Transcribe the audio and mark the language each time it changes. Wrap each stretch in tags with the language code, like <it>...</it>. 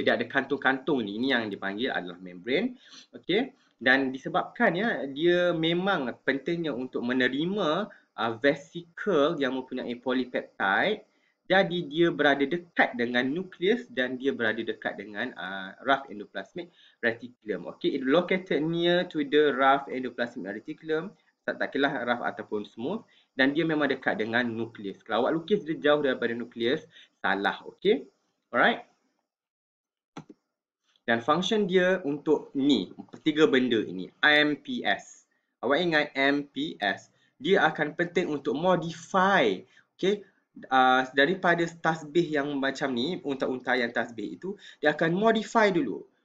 <ms>Dia ada kantung-kantung ni. Ini yang dipanggil adalah membrane, okay? Dan disebabkan ya, dia memang pentingnya untuk menerima vesikel yang mempunyai polipeptide. Jadi dia berada dekat dengan nukleus dan dia berada dekat dengan rough endoplasmic reticulum.</ms> <en>Okay, it located near to the rough endoplasmic reticulum.</en> <ms>Tak kira lah rough ataupun smooth. Dan dia memang dekat dengan nukleus. Kalau awak lukis dia jauh daripada nukleus, salah. Okay, alright. Dan function dia untuk ni, tiga benda ini, MPS. Awak ingat MPS. Dia akan penting untuk modify, okay, daripada tasbih yang macam ni, untai-untaian tasbih itu, dia akan modify dulu.</ms>